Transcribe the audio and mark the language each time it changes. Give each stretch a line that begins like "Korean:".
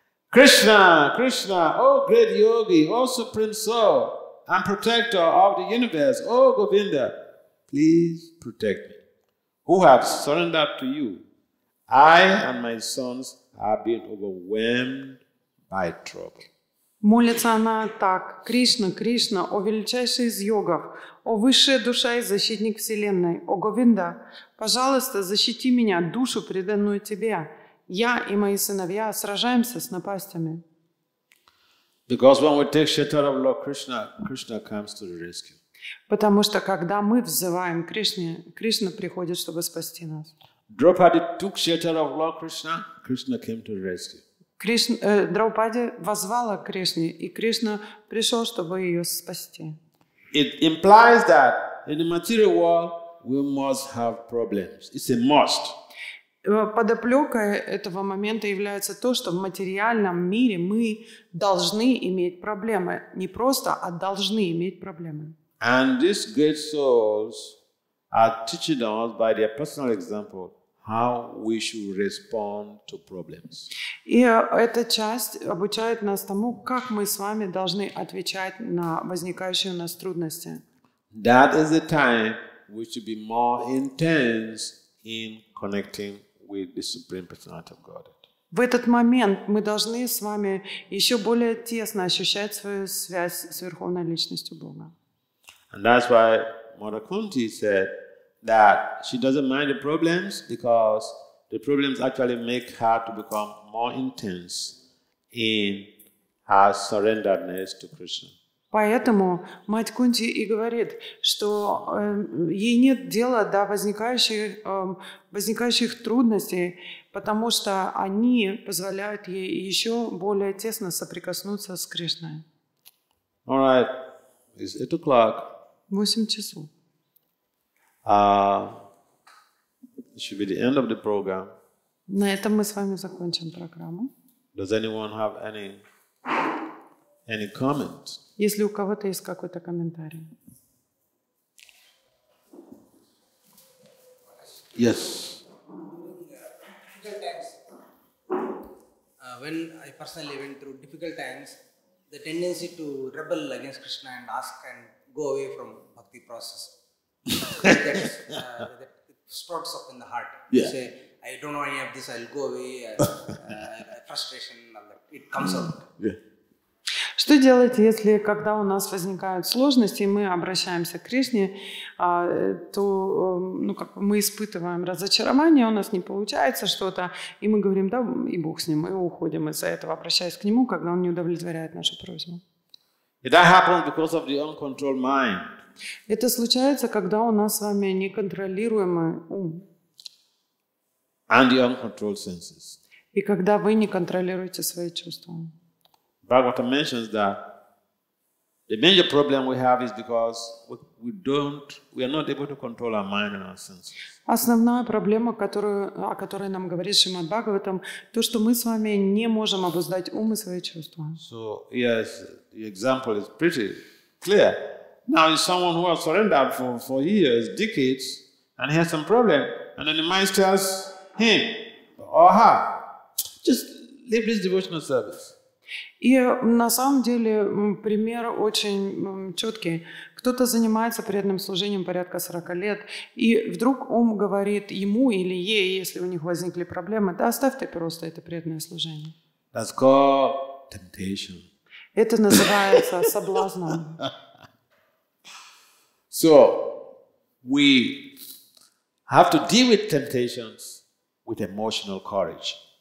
English: Krishna, Krishna, O great yogi, O supreme soul, and protector of the universe, O Govinda, please protect me. Who have surrendered to you? I and my sons have been overwhelmed by trouble.
Russian: Молится она так: Кришна, Кришна, о величайший из йогов, о высшая душа и защитник вселенной, о Говинда, пожалуйста, защити меня, душу, преданную тебе. Я и мои сыновья сражаемся с напастями.
English: Because when we take shelter of Lord Krishna, Krishna comes to the rescue.
Russian: Потому что когда мы взываем Кришне, Кришна приходит, чтобы спасти нас.
English: Draupadi took shelter of Lord Krishna. Krishna came to rescue.
Russian: Draupadi воззвала к Кришне, и Кришна пришел, чтобы ее спасти.
English: It implies that in the material world we must have problems. It's a must.
Russian: Подоплекой этого момента является то, что в материальном мире мы должны иметь проблемы. Не просто, а должны иметь проблемы.
English: And these great souls are teaching us by their personal example how we should respond to problems.
Russian: И эта часть обучает нас тому, как мы с вами должны отвечать на возникающие у нас трудности.
English: That is the time we should be more intense in connecting with the Supreme Personality of Godhead.
Russian: В этот момент мы должны с вами еще более тесно ощущать свою связь с Верховной Личностью Бога.
English: And that's why Mother Kunti said that she doesn't mind the problems because the problems actually make her to become more intense in her surrenderedness to Krishna.
Russian: Поэтому мать Кунти и говорит, что ей нет дела до возникающих трудностей, потому что они позволяют ей еще более тесно соприкоснуться с Кришной.
English: All right. It's 8 o'clock.
Russian: 8 часов.
English: It should be the end of the program.
Russian: На этом мы с вами закончим программу.
English: Does anyone have any comment?
Russian: Если у кого-то есть какой-то комментарий.
English: Yes. Difficult times. When I personally went through difficult times, the tendency to rebel against Krishna and ask and go away from bhakti process. that sprouts up in the heart. Yeah. You say, I don't know any of this, I'll go away. frustration, all that. It comes up. Yeah.
Russian: Что делать, если когда у нас возникают сложности, и мы обращаемся к Кришне, то ну, как мы испытываем разочарование, у нас не получается что-то, и мы говорим, да, и Бог с ним, и уходим из-за этого, обращаясь к Нему, когда Он не удовлетворяет нашу просьбу.
English: That happens because of the uncontrolled mind.
Russian: Это случается, когда у нас с вами неконтролируемый ум.
English: And the uncontrolled senses.
Russian: И когда вы не контролируете свои чувства.
English: Bhagavata mentions that the major problem we have is because we are not able to control our mind and our senses.
Russian: Основная проблема, о которой нам говорит Шримад Бхагаватам, то, что мы с вами не можем обуздать ум и свои чувства.
English: So, yes, the example is pretty clear. Now, if someone who has surrendered for years, decades, and he has some problem, and then the mind tells him or her, just leave this devotional service.
Russian: И на самом деле пример очень четкий. Кто-то занимается преданным служением порядка 40 лет, и вдруг ум говорит ему или ей, если у них возникли проблемы, да оставь ты просто это преданное служение.
English: That's called temptation.
Russian: Это называется соблазном.
English: So we have to deal with temptations with emotional courage.